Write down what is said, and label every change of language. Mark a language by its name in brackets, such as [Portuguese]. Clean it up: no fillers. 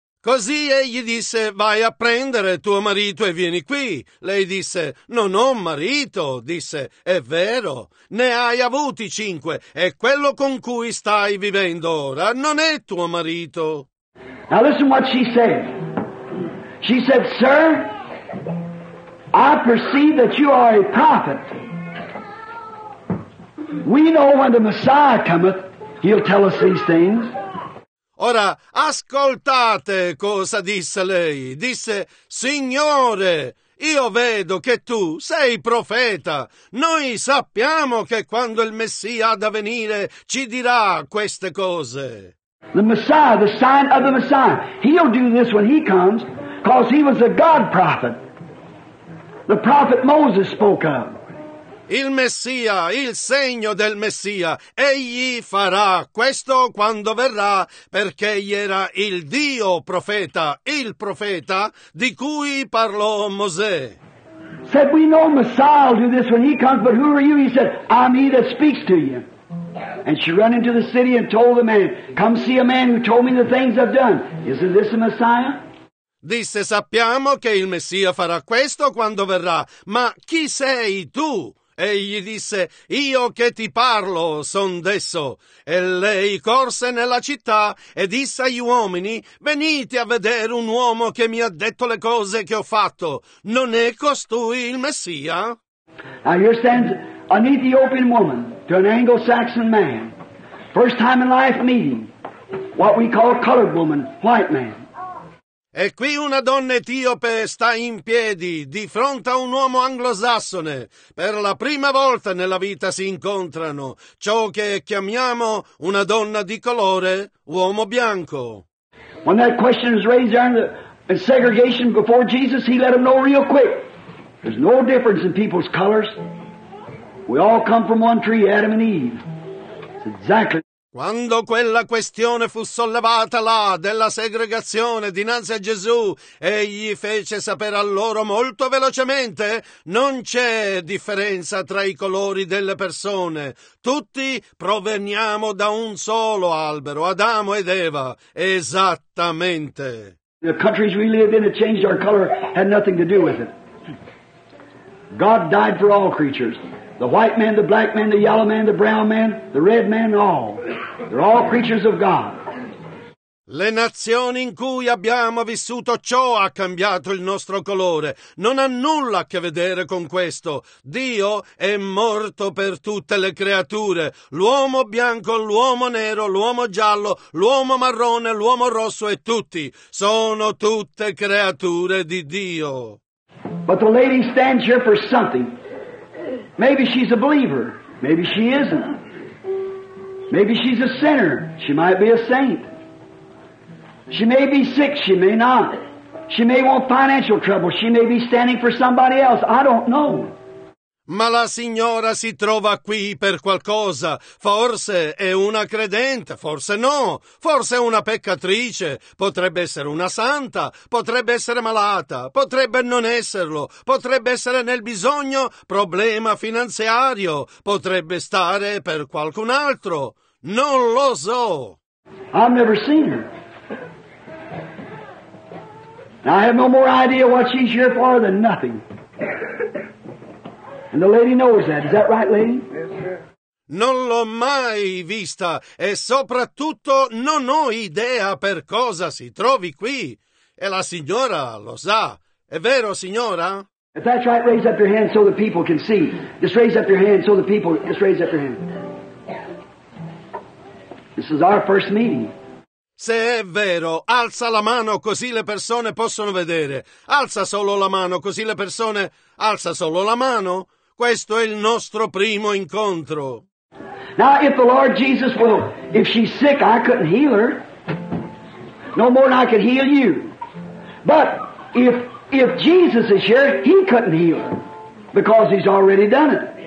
[Italian] Così egli disse, vai a prendere tuo marito e vieni qui. Lei disse, non ho marito. Disse, è vero, ne hai avuti cinque e quello con cui stai vivendo ora non è tuo marito. [English] Now listen what she said. She said, sir, I perceive that you are a prophet. We know when the Messiah cometh, he'll tell us these things. [Italian] Ora, ascoltate cosa disse lei. Disse, Signore, io vedo che tu sei profeta. Noi sappiamo che quando il Messia ha da venire ci dirà queste cose. [English] The Messiah, the sign of the Messiah. He'll do this when he comes, because he was a God prophet. The prophet Moses spoke of. [Italian] Il Messia, il segno del Messia, egli farà questo quando verrà, perché egli era il Dio profeta, il profeta di cui parlò Mosè. [English] Said, we know Messiah will do this when he comes, but who are you? He said, I'm he that speaks to you. And she ran into the city and told the man, come see a man who told me the things I've done. Isn't this the Messiah? [Italian] Disse, sappiamo che il Messia farà questo quando verrà, ma chi sei tu? Egli disse, io che ti parlo son desso. E lei corse nella città e disse agli uomini, venite a vedere un uomo che mi ha detto le cose che ho fatto. Non è costui il Messia? [English] Now here stands an Ethiopian woman to an Anglo-Saxon man. First time in life meeting. What we call colored woman, white man. [Italian] E qui una donna etiope sta in piedi di fronte a un uomo anglosassone. Per la prima volta nella vita si incontrano ciò che chiamiamo una donna di colore, uomo bianco. [English] When that question is raised there in segregation before Jesus, he let them know real quick. There's no difference in people's colors. We all come from one tree, Adam and Eve. It's exactly. [Italian] Quando quella questione fu sollevata là della segregazione dinanzi a Gesù, egli fece sapere a loro molto velocemente: non c'è differenza tra i colori delle persone. Tutti proveniamo da un solo albero, Adamo ed Eva. Esattamente. [English] The countries we live in that changed our color had nothing to do with it. God died for all creatures. The white man, the black man, the yellow man, the brown man, the red man, all. They're all creatures of God. [Italian] Le nazioni in cui abbiamo vissuto, ciò ha cambiato il nostro colore. Non ha nulla a che vedere con questo. Dio è morto per tutte le creature. L'uomo bianco, l'uomo nero, l'uomo giallo, l'uomo marrone, l'uomo rosso e tutti sono tutte creature di Dio. [English] But the lady stands here for something. Maybe she's a believer. Maybe she isn't. Maybe she's a sinner. She might be a saint. She may be sick. She may not. She may want financial trouble. She may be standing for somebody else. I don't know. [Italian] Ma la signora si trova qui per qualcosa. Forse è una credente, forse no. Forse è una peccatrice. Potrebbe essere una santa. Potrebbe essere malata. Potrebbe non esserlo. Potrebbe essere nel bisogno, problema finanziario. Potrebbe stare per qualcun altro. Non lo so. [English] I've never seen her. I have no more idea what she's here for than nothing. And the lady knows that. Is that right, lady? Yes, sir. [Italian] Non l'ho mai vista e soprattutto non ho idea per cosa si trovi qui. E la signora lo sa. È vero, signora? [English] If that's right, raise up your hand so the people can see. Just raise up your hand so the people... Just raise up your hand. This is our first meeting. [Italian] Se è vero, alza la mano così le persone possono vedere. Alza solo la mano così le persone... Alza solo la mano. Questo è il nostro primo incontro. [English] Now, if the Lord Jesus will... If she's sick, I couldn't heal her. No more than I could heal you. But if Jesus is here, he couldn't heal her. Because he's already done it.